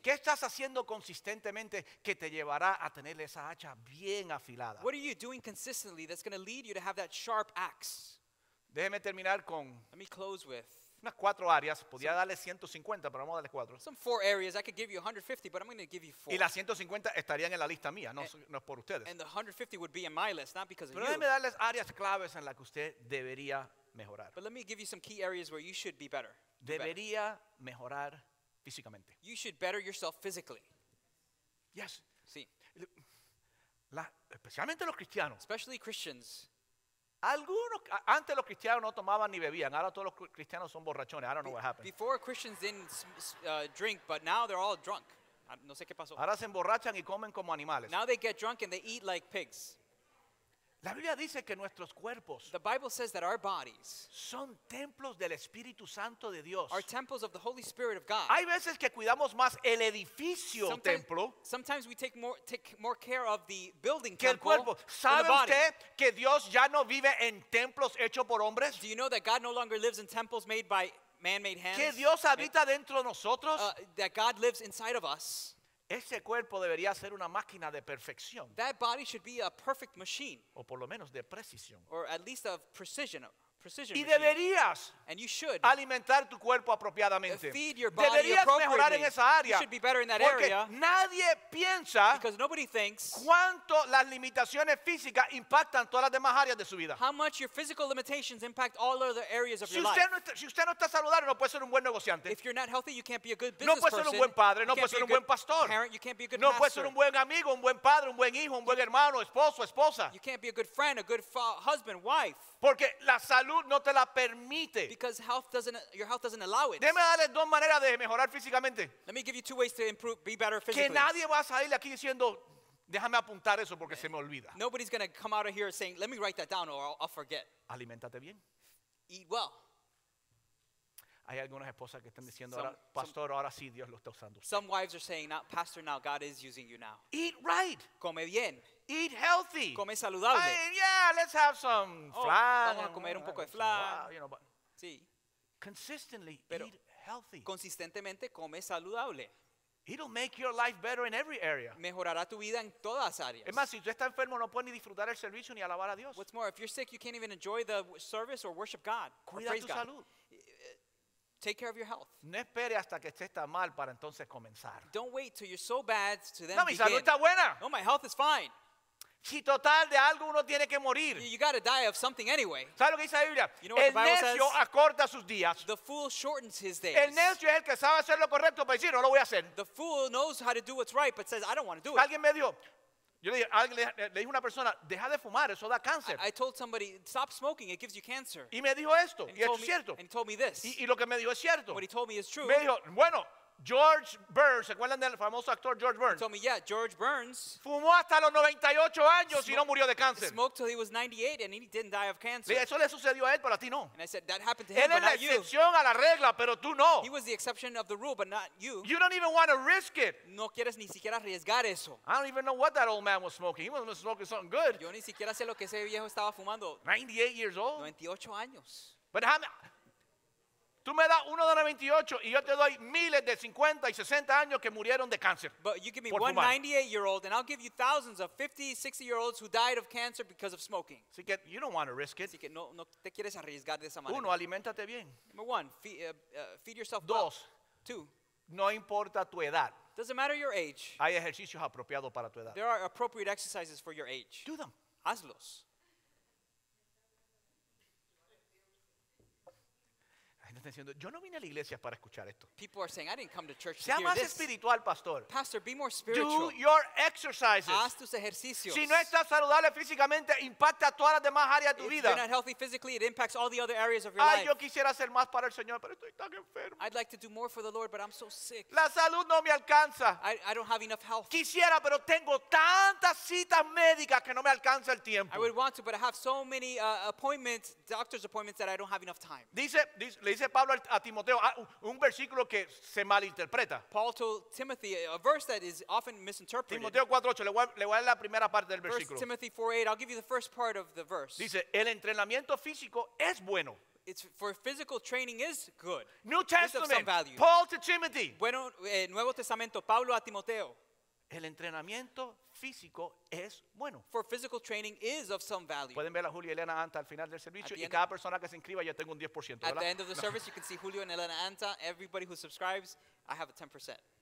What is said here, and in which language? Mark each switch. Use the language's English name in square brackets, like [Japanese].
[Spanish] ¿Qué estás haciendo consistentemente que te llevará a tener esa hacha bien afilada? [English] What are you doing consistently that's going to lead you to have that sharp axe? [Spanish] Déjeme terminar con [English] let me close with [Spanish] unas cuatro áreas. Podría darle 150, pero vamos a darle cuatro. [English] Some four areas. I could give you 150, but I'm going to give you four. [Spanish] Y las 150 estarían en la lista mía, no es por ustedes. [English] And the 150 would be in my list, not because [Spanish] pero [English] of you. [Spanish] Pero déjeme darles áreas claves en las que usted debería mejorar. [English] But let me give you some key areas where you should be better. [Spanish] Debería mejorar físicamente. [English] You should better yourself physically. Yes. [Spanish] Sí. Especialmente los cristianos. [English] Especially Christians. [Spanish] Algunos antes los cristianos no tomaban ni bebían. Ahora todos los cristianos son borrachones. [English] I don't know what happened. Before Christians didn't drink, but now they're all drunk. [Spanish] No sé qué pasó. Ahora se emborrachan y comen como animales. [English] Now they get drunk and they eat like pigs. [Spanish] La Biblia dice que nuestros cuerpos [English] the Bible says that our bodies [Spanish] son templos del Espíritu Santo de Dios. [English] Are temples of the Holy Spirit of God. [Spanish] Hay veces que cuidamos más el edificio [English] sometimes, [Spanish] templo. [English] Sometimes we take more care of the building [Spanish] que [English] temple [Spanish] que el cuerpo. ¿Sabe [English] than the body? [Spanish] Usted que Dios ya no vive en templos hechos por hombres? [English] Do you know that God no longer lives in temples made by man-made hands? [Spanish] Que Dios habita dentro de nosotros. [English] That God lives inside of us. [Spanish] Ese cuerpo debería ser una máquina de perfección. [English] That body should be a perfect machine. [Spanish] O por lo menos de precisión. [English] Or at least of precision. [Spanish] Y deberías alimentar tu cuerpo apropiadamente. Deberías mejorar en esa área. Porque nadie piensa cuánto las limitaciones físicas impactan todas las demás áreas de su vida. [English] How much your physical limitations impact all other areas of your life. [Spanish] Si usted no está saludable, no puede ser un buen negociante. [English] If you're not healthy, you can't be a good business person. [Spanish] No puede ser un buen padre, no puede ser un buen pastor. [English] Parent, you can't be a good pastor. [Spanish] No puede ser un buen amigo, un buen padre, un buen hijo, un buen hermano, esposo, esposa. [English] You can't be a good friend, a good husband, wife. [Spanish] Porque la salud no te la permite. [English] Because health doesn't, your health doesn't allow it. [Spanish] Déjame darle dos maneras de mejorar físicamente. [English] Let me give you two ways to improve, be better physically. [Spanish] Que nadie va a salir aquí diciendo, déjame apuntar eso porque se me olvida. [English] Nobody's going to come out of here saying, let me write that down or I'll forget. [Spanish] Aliméntate bien. [English] Eat well. [Spanish] Hay algunas esposas que están diciendo, ahora, pastor, ahora sí Dios lo está usando. [English] Some wives are saying, now, pastor, now God is using you now. Eat right. [Spanish] Come bien. [English] Eat healthy. [Spanish] Come saludable. [English] Yeah, let's have some flan. [Spanish] Vamos a comer un poco de flan. [English] You know, [Spanish] sí. [English] Consistently, [Spanish] pero [English] eat healthy. [Spanish] Consistentemente, come saludable. [English] It'll make your life better in every area. [Spanish] Mejorará tu vida en todas áreas. Es más, si tú estás enfermo, no puedes ni disfrutar el servicio ni alabar a Dios. [English] What's more, if you're sick, you can't even enjoy the service or worship God. [Spanish] Cuida tu salud. [English] Take care of your health. [Spanish] No espere hasta que esté tan mal para entonces comenzar. [English] Don't wait till you're so bad to then begin. [Spanish] No, mi salud está buena. [English] No, my health is fine. [Spanish] Si total de algo uno tiene que morir. [English] You got to die of something anyway. [Spanish] ¿Sabes lo que dice la Biblia? [English] You know what the Bible says? [Spanish] El necio acorta sus días. [English] The fool shortens his days. [Spanish] El necio es el que sabe hacer lo correcto, pero dice, no lo voy a hacer. [English] The fool knows how to do what's right, but says, I don't want to do it. [Spanish] Alguien me dijo, yo le dije a una persona, deja de fumar, eso da cáncer. [English] I told somebody, stop smoking, it gives you cancer. [Spanish] Y me dijo esto, y es cierto. [English] And he told me this. [Spanish] Y lo que me dijo es cierto. [English] What he told me is true. [Spanish] Me dijo, bueno, George Burns, ¿se acuerdan del famoso actor George Burns? [English] He told me, yeah, George Burns. [Spanish] Fumó hasta los 98 años y no murió de cáncer. [English] Smoked till he was 98 and he didn't die of cancer. [Spanish] Eso le sucedió a él, pero a ti no. [English] And I said, that happened to him, but not you. [Spanish] Él es la excepción a la regla, pero tú no. [English] He was the exception of the rule, but not you. You don't even want to risk it. [Spanish] No quieres ni siquiera arriesgar eso. [English] I don't even know what that old man was smoking. He must have been smoking something good. [Spanish] Yo ni siquiera sé lo que ese viejo estaba fumando. [English] 98 years old. [Spanish] 98 años. [English] But how... [Spanish] Tú me das uno de 98 y yo te doy miles de 50 y 60 años que murieron de cáncer. [English] But you give me one 98-year-old and I'll give you thousands of 50, 60-year-olds who died of cancer because of smoking. [Spanish] Así que [English] you don't want to risk it. [Spanish] Así que no te quieres arriesgar de esa manera. Uno, aliméntate bien. [English] Number one, feed yourself well. [Spanish] Dos. [English] Two. [Spanish] No importa tu edad. [English] Doesn't matter your age. [Spanish] Hay ejercicios apropiados para tu edad. [English] There are appropriate exercises for your age. Do them. [Spanish] Hazlos. Yo no vine a la iglesia para escuchar esto. [English] People are saying, I didn't come to church to [Spanish] sea [English] hear [Spanish] más [English] this. [Spanish] Espiritual, pastor. [English] Pastor, be more spiritual. Do your exercises. [Spanish] Haz tus ejercicios. Si no estás saludable físicamente, impacta todas las demás áreas de tu [English] If [Spanish] vida. [English] If you're not healthy physically, it impacts all the other areas of your [Spanish] Ay, [English] life. [Spanish] Yo quisiera hacer más para el Señor, pero estoy tan enfermo. [English] I'd like to do more for the Lord, but I'm so sick. [Spanish] La salud no me alcanza. [English] I don't have enough health. [Spanish] Quisiera, pero tengo tantas citas médicas que no me alcanza el tiempo. [English] I would want to, but I have so many appointments, doctor's appointments, that I don't have enough time. [Spanish] Dice Pablo a Timoteo un versículo que se malinterpreta. [English] Paul told Timothy a verse that is often misinterpreted. [Spanish] Timoteo 4:8, le voy a leer la primera parte del versículo. [English] 1 Timothy 4:8, I'll give you the first part of the verse. [Spanish] Dice, el entrenamiento físico es bueno. [English] It's for physical training is good. New Testament, it's of some value. Paul to Timothy. [Spanish] Bueno, Nuevo Testamento, Pablo a Timoteo. El entrenamiento físico es bueno. [English] For physical training is of some value. [Spanish] Pueden ver a Julio y Elena Anta al final del servicio y cada persona que se inscriba ya tengo un 10%, ¿verdad? [English] At the end of the service you can see Julio and Elena Anta, everybody who subscribes, I have a 10%.